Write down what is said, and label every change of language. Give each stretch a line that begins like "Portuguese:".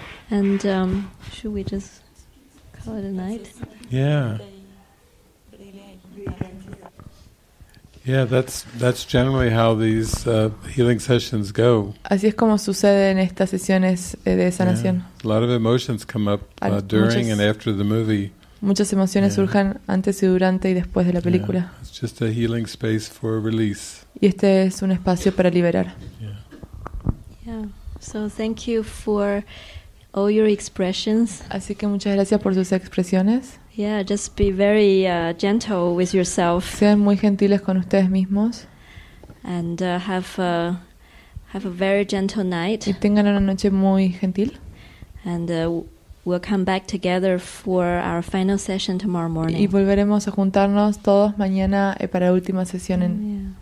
English: And should we just call it a night? Yeah. Yeah, that's generally how these healing sessions go.
Spanish: Así es como suceden estas sesiones de sanación.
English: A lot of emotions come up during and after the movie.
Spanish: Muchas emociones surjan antes y durante y después de la película.
English: Yeah. It's just a healing space for release.
Spanish: Y este es un espacio para liberar.
English: Yeah. So thank you for all your expressions.
Spanish: Así que muchas gracias por sus expresiones.
English: Yeah, just be very gentle with yourself.
Spanish: Sean muy gentiles con ustedes mismos.
English: And have a very gentle night.
Spanish: Y tengan una noche muy gentil.
English: And we'll come back together for our final session tomorrow morning.
Spanish: Y volveremos a juntarnos todos mañana para la última sesión.